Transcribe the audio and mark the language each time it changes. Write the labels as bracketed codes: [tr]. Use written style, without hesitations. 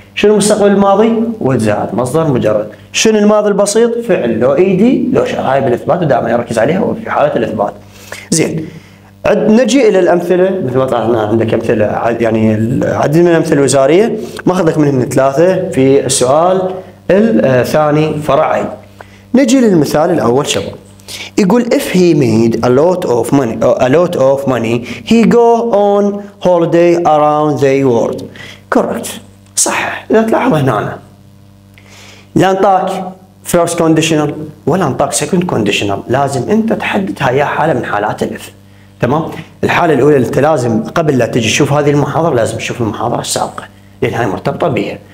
[ar] شنو مستقبل الماضي؟ ود زائد مصدر مجرد. شنو الماضي البسيط؟ فعل لو ايدي لو شاط. هاي بالاثبات ودائما يركز عليها وفي حاله الاثبات. زين، نجي الى الامثله، مثل ما طلعنا عندك امثله، يعني عدد من الامثله الوزاريه ماخذك منهم ثلاثه في السؤال الثاني فرعي. نجي للمثال الاول شباب. [en] يقول if he made a lot of money he go on holiday around the world. Correct. [ar] صح، اذا تلاحظ هنا لا انطاك [en] first conditional [ar] ولا انطاك [en] second conditional، [ar] لازم انت تحدد هاي حاله من حالات الاف، تمام؟ الحاله الاولى اللي انت لازم قبل لا تجي تشوف هذه المحاضره لازم تشوف المحاضره السابقه، لان هاي مرتبطه بها.